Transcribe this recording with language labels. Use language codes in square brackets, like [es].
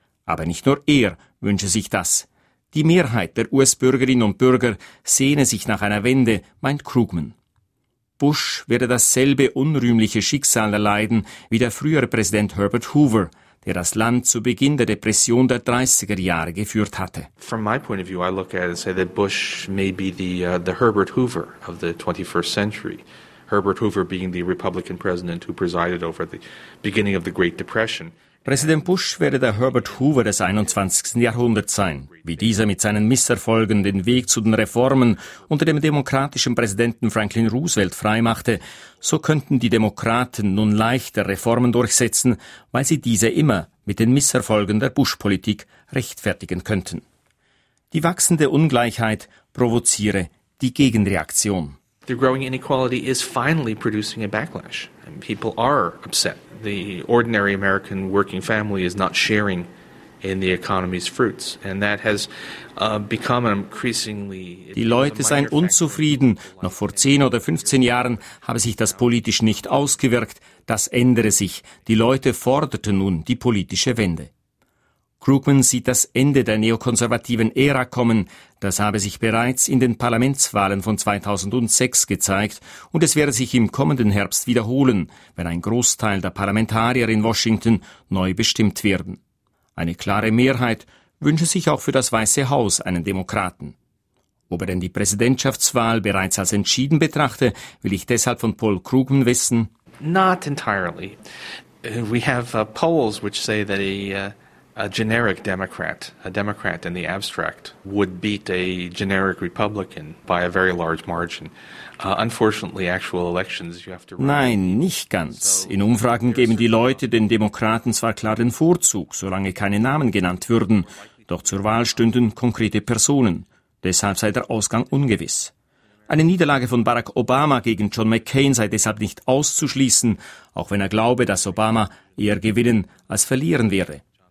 [de] Aber nicht nur er wünsche sich das. Die Mehrheit der US-Bürgerinnen und Bürger sehne sich nach einer Wende, meint Krugman. Bush werde dasselbe unrühmliche Schicksal erleiden wie der frühere Präsident Herbert Hoover, der das Land zu Beginn der Depression der 30er Jahre geführt hatte. [en] From my point of view, I look at it and say that Bush may be the Herbert Hoover of the 21st century. Herbert Hoover being the Republican president who presided over the beginning of the Great Depression. [de] Präsident Bush werde der Herbert Hoover des 21. Jahrhunderts sein, wie dieser mit seinen Misserfolgen den Weg zu den Reformen unter dem demokratischen Präsidenten Franklin Roosevelt freimachte, so könnten die Demokraten nun leichter Reformen durchsetzen, weil sie diese immer mit den Misserfolgen der Bush-Politik rechtfertigen könnten. Die wachsende Ungleichheit provoziere die Gegenreaktion. [en] The growing inequality is finally producing a backlash. People are upset. The ordinary American working family is not sharing in the economy's fruits. And that has become an increasingly... [de] Die Leute seien unzufrieden. Noch vor 10 oder 15 Jahren habe sich das politisch nicht ausgewirkt. Das ändere sich. Die Leute forderten nun die politische Wende. Krugman sieht das Ende der neokonservativen Ära kommen. Das habe sich bereits in den Parlamentswahlen von 2006 gezeigt und es werde sich im kommenden Herbst wiederholen, wenn ein Großteil der Parlamentarier in Washington neu bestimmt werden. Eine klare Mehrheit wünsche sich auch für das Weiße Haus einen Demokraten. Ob er denn die Präsidentschaftswahl bereits als entschieden betrachte, will ich deshalb von Paul Krugman wissen. [en] Not entirely. We have polls which say that a generic Democrat, a Democrat in the abstract, would beat a generic Republican by a very large margin. Unfortunately, actual elections you have to. [de] Nein, nicht ganz. In Umfragen geben die Leute den Demokraten zwar klar den Vorzug, solange keine Namen genannt würden. Doch zur Wahl stünden konkrete Personen. Deshalb sei der Ausgang ungewiss. Eine Niederlage von Barack Obama gegen John McCain sei deshalb nicht auszuschließen, auch wenn er glaube, dass Obama eher gewinnen als verlieren werde.